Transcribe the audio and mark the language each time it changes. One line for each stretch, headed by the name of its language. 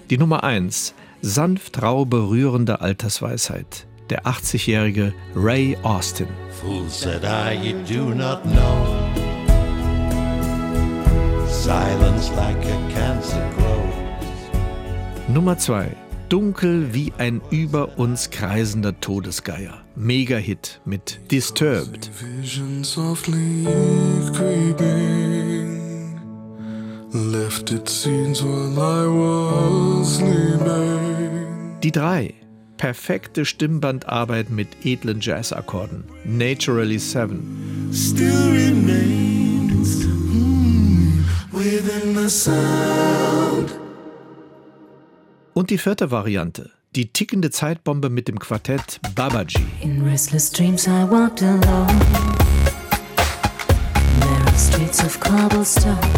German: Die Nummer 1, sanft rau berührende Altersweisheit. Der 80-jährige Ray Austin.
English: Fool said I, you do not know. Silence like a cancer grows.
German: Nummer 2, dunkel wie ein über uns kreisender Todesgeier. Mega-Hit mit Disturbed.
English: Visions softly creeping, left its scenes while I was sleeping.
German: Die 3, perfekte Stimmbandarbeit mit edlen Jazz-Akkorden. Naturally 7.
English: Still remains within the sound.
German: Und die 4. Variante. Die tickende Zeitbombe mit dem Quartett Babaji.
English: In restless dreams I walked alone. Narrow streets of cobblestone.